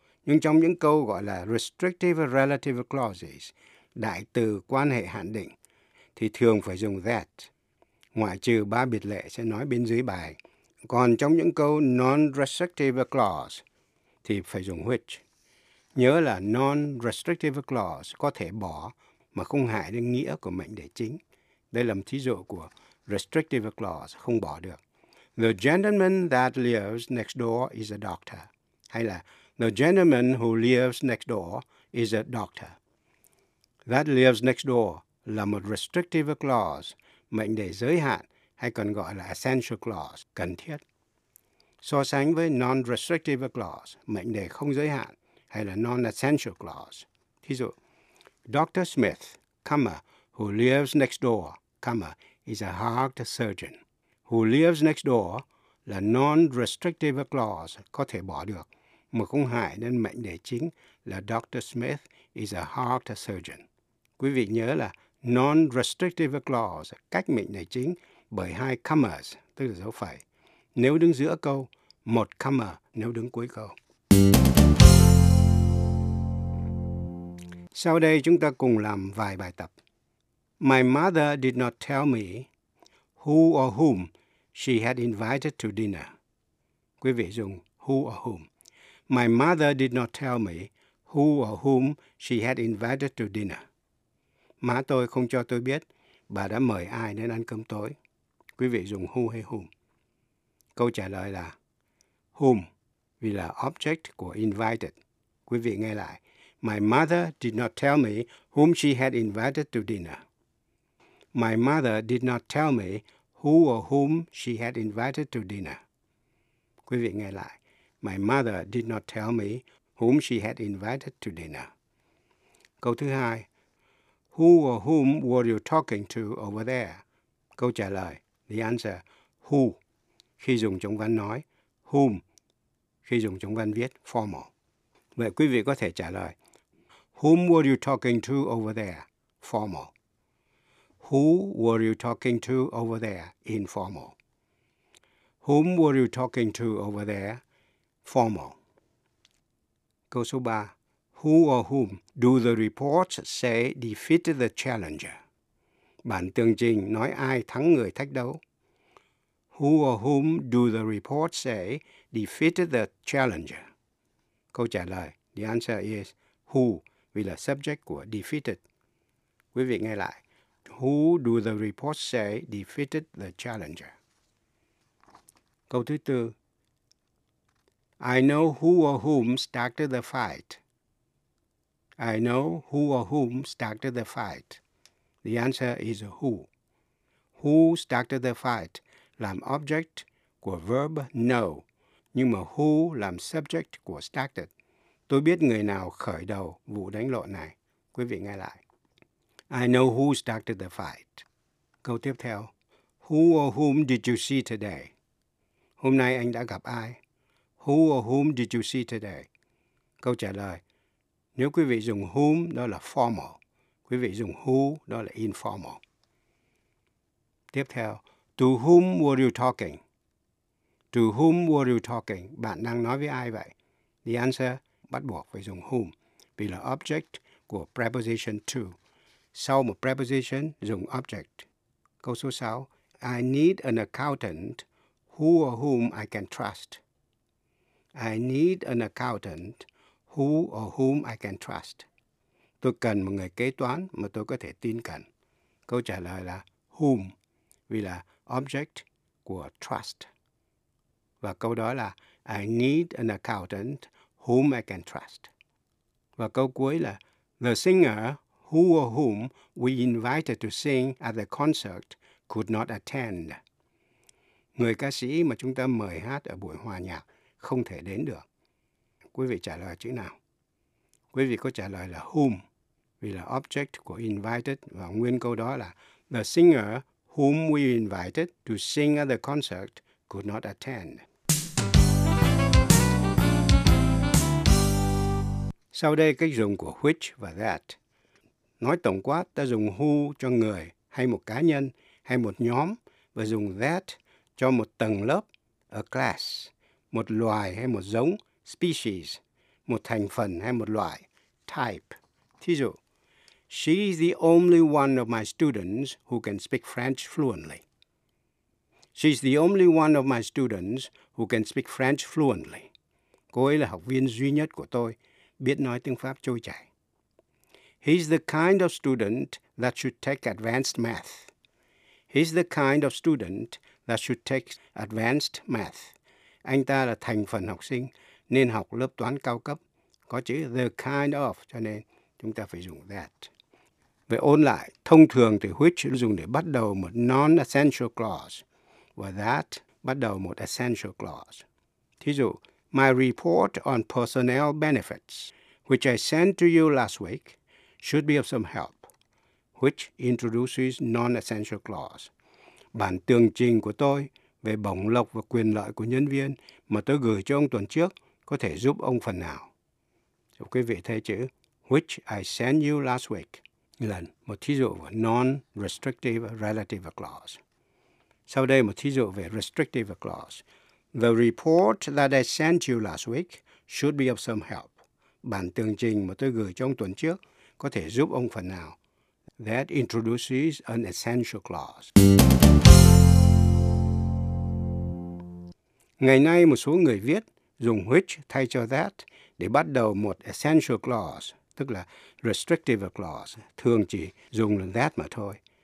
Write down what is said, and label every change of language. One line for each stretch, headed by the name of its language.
Vietnamese: Nhưng trong những câu gọi là restrictive relative clauses, đại từ quan hệ hạn định, thì thường phải dùng that, ngoại trừ ba biệt lệ sẽ nói bên dưới bài. Còn trong những câu non-restrictive clause thì phải dùng which. Nhớ là non-restrictive clause có thể bỏ mà không hại đến nghĩa của mệnh đề chính. Đây là một thí dụ của restrictive clause không bỏ được.
English: The gentleman that lives next door is a doctor.
Vietnamese: Hay là
English: the gentleman who lives next door is a doctor. That lives next door
Vietnamese: là một restrictive clause, mệnh đề giới hạn, hay còn gọi là essential clause, cần thiết. So sánh với non-restrictive clause, mệnh đề không giới hạn, hay là non-essential clause. Thí dụ,
English: Dr. Smith, comma, who lives next door, comma, is a heart surgeon. Who lives next door
Vietnamese: là non-restrictive clause, có thể bỏ được, mà không hại đến mệnh đề chính là Dr.
English: Smith is a heart surgeon.
Vietnamese: Quý vị nhớ là non-restrictive clause, cách mệnh đề chính, bởi hai commas, tức là dấu phẩy, nếu đứng giữa câu, một comma nếu đứng cuối câu. Sau đây chúng ta cùng làm vài bài tập.
English: My mother did not tell me who or whom she had invited to dinner.
Vietnamese: Quý vị dùng
English: who or whom. My mother did not tell me who or whom she had invited to dinner.
Vietnamese: Má tôi không cho tôi biết bà đã mời ai đến ăn cơm tối. Quý vị dùng who hay whom. Câu trả lời là whom, vì là object của invited. Quý vị nghe lại.
English: My mother did not tell me whom she had invited to dinner. My mother did not tell me who or whom she had invited to dinner.
Vietnamese: Quý vị nghe lại.
English: My mother did not tell me whom she had invited to dinner.
Vietnamese: Câu thứ hai.
English: Who or whom were you talking to over there?
Vietnamese: Câu trả lời.
English: The answer,
Vietnamese: who, khi dùng trong văn nói, whom, khi dùng trong văn viết, formal. Vậy quý vị có thể trả lời,
English: whom were you talking to over there, formal. Who were you talking to over there, informal. Whom were you talking to over there, formal.
Vietnamese: Câu số 3,
English: who or whom do the reports say defeated the challenger?
Vietnamese: Bản tường trình nói ai thắng người thách đấu.
English: Who or whom do the reports say defeated the challenger?
Vietnamese: Câu trả lời,
English: the answer is who,
Vietnamese: vì là subject của defeated. Quý vị nghe lại.
English: Who do the reports say defeated the challenger?
Vietnamese: Câu thứ tư.
English: I know who or whom started the fight. I know who or whom started the fight. The answer is who. Who started the fight
Vietnamese: làm object của verb know, nhưng mà who làm subject của started. Tôi biết người nào khởi đầu vụ đánh lộn này. Quý vị nghe lại.
English: I know who started the fight.
Vietnamese: Câu tiếp theo.
English: Who or whom did you see today?
Vietnamese: Hôm nay anh đã gặp ai?
English: Who or whom did you see today?
Vietnamese: Câu trả lời. Nếu quý vị dùng whom, đó là formal. Quý vị dùng who, đó là informal. Tiếp theo,
English: to whom were you talking? To whom were you talking?
Vietnamese: Bạn đang nói với ai vậy?
English: The answer
Vietnamese: bắt buộc phải dùng whom vì là object của preposition to. Sau một preposition dùng object. Câu số 6.
English: I need an accountant who or whom I can trust. I need an accountant who or whom I can trust.
Vietnamese: Tôi cần một người kế toán mà tôi có thể tin cậy. Câu trả lời là whom vì là object của trust. Và câu đó là
English: I need an accountant whom I can trust.
Vietnamese: Và câu cuối là
English: the singer who or whom we invited to sing at the concert could not attend.
Vietnamese: Người ca sĩ mà chúng ta mời hát ở buổi hòa nhạc không thể đến được. Quý vị trả lời chữ nào? Quý vị có trả lời là whom vì là object của invited và nguyên câu đó là
English: the singer whom we invited to sing at the concert could not attend.
Vietnamese: Sau đây cách dùng của which và that. Nói tổng quát, ta dùng who cho người hay một cá nhân hay một nhóm và dùng that cho một tầng lớp, a class, một loài hay một giống, species, một thành phần hay một loại, type. Thí dụ,
English: she is the only one of my students who can speak French fluently. She is the only one of my students who can speak French fluently.
Vietnamese: Cô ấy là học viên duy nhất của tôi, biết nói tiếng Pháp trôi chảy.
English: He's the kind of student that should take advanced math. He's the kind of student that should take advanced math.
Vietnamese: Anh ta là thành phần học sinh nên học lớp toán cao cấp. Có chữ the kind of, cho nên chúng ta phải dùng that. Vậy ôn lại, thông thường thì which dùng để bắt đầu một non-essential clause và that bắt đầu một essential clause. Thí dụ,
English: my report on personnel benefits, which I sent to you last week, should be of some help, which introduces non-essential clause.
Vietnamese: Bản tường trình của tôi về bổng lộc và quyền lợi của nhân viên mà tôi gửi cho ông tuần trước có thể giúp ông phần nào. Thì quý vị thấy chữ
English: which I sent you last week
Vietnamese: là một thí dụ của non-restrictive relative clause. Sau đây một thí dụ về restrictive clause.
English: The report that I sent you last week should be of some help.
Vietnamese: Bản tường trình mà tôi gửi cho ông tuần trước có thể giúp ông phần nào.
English: That introduces an essential clause.
Vietnamese: Ngày nay một số người viết dùng which thay cho that để bắt đầu một essential clause, tức là restrictive clause, thường chỉ dùng that mà thôi.